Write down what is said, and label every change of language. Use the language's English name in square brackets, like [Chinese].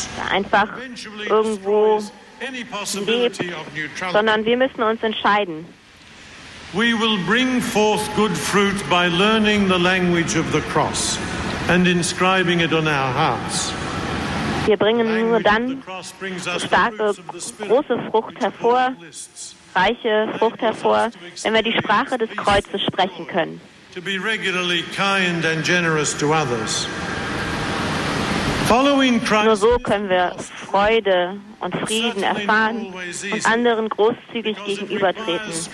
[German] Einfach irgendwo lebt, sondern wir müssen uns entscheiden. [English] We will bring forth good fruit by learning the language of the cross and inscribing it on our hearts. [German] Wir bringen nur dann starke, große Frucht hervor, reiche Frucht hervor, wenn wir die Sprache des Kreuzes sprechen können. [English] To be regularly kind and generous to others. Following Christ, [German] nur so können wir Freude und Frieden erfahren und anderen großzügig gegenübertreten.